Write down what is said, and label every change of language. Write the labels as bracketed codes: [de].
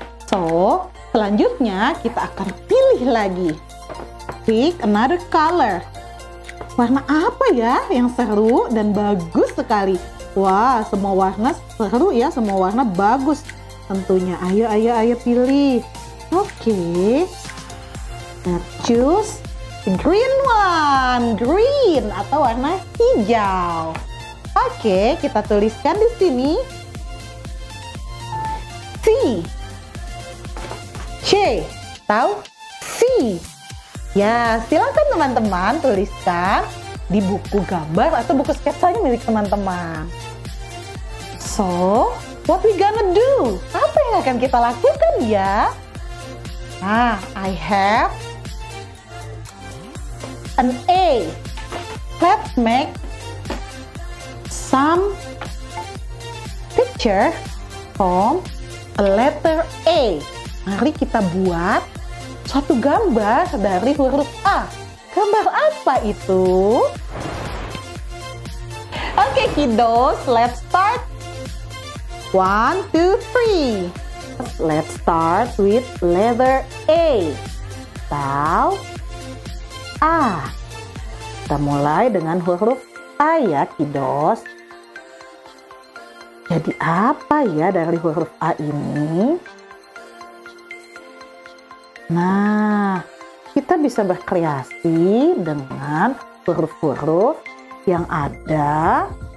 [id] So, selanjutnya kita akan pilih lagi. [en] Pick another color. [id] Warna apa ya yang seru dan bagus sekali? Wah, semua warna seru ya, semua warna bagus tentunya. Ayo pilih. Okay. [en] Let's choose the green one. [id] Green atau warna hijau. Okay, kita tuliskan di sini. C. C. Tau? C. Ya, silakan teman-teman tuliskan di buku gambar atau buku sketsanya milik teman-teman. [en] So, what we gonna do? [id] Apa yang akan kita lakukan ya? [en] Nah, I have an A. Let's make some picture from a letter A. [id] Mari kita buat satu gambar dari huruf A. Gambar apa itu? [en] Okay, Kiddos, let's start. 1, 2, 3. Let's start with letter A. [id] Tau? A. Kita mulai dengan huruf apa ya Kidos? Jadi apa ya dari huruf A ini? Nah, kita bisa berkreasi dengan huruf-huruf yang ada.